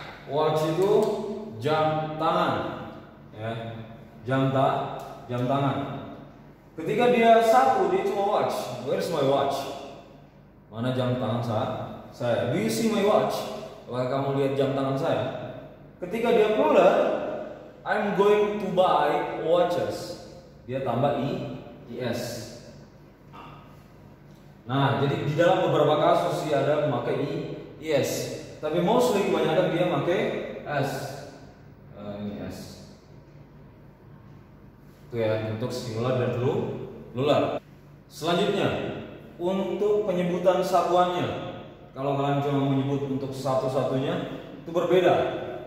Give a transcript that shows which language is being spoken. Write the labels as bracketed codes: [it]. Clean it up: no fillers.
[id] Watch itu jam tangan, ya. Jam tangan. Ketika dia satu, dia cuma watch. [en] Where is my watch? [id] Mana jam tangan saya? [en] Do you see my watch? [id] Apakah kamu lihat jam tangan saya? Ketika dia plural, [en] I'm going to buy watches. [id] Dia tambah IS. Nah, jadi di dalam beberapa kasus dia ada memakai IS. Tapi mostly kebanyakan dia memakai S. IS. Itu ya, untuk singular dan plural. Selanjutnya, untuk penyebutan satuannya, kalau kalian cuma menyebut untuk satu-satunya, itu berbeda.